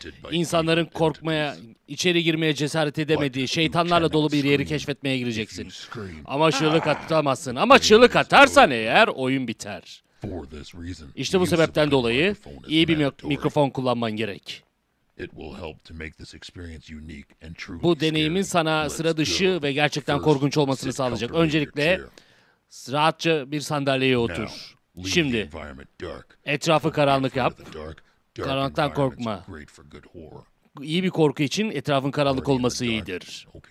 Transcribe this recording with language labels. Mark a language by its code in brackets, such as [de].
[tr] İnsanların korkmaya, içeri girmeye cesaret edemediği, şeytanlarla dolu bir yeri keşfetmeye gireceksin. Ama çığlık atamazsın. Ama çığlık atarsan eğer oyun biter. İşte bu sebepten dolayı iyi bir mikrofon kullanman gerek. [en] It will help to make this experience unique and truly. [tr] Bu deneyimin sana sıra dışı ve gerçekten korkunç olmasını sağlayacak. Öncelikle rahatça bir sandalyeye otur. Şimdi etrafı karanlık yap. Karanlıktan korkma. iyi bir korku için etrafın karanlık olması iyidir.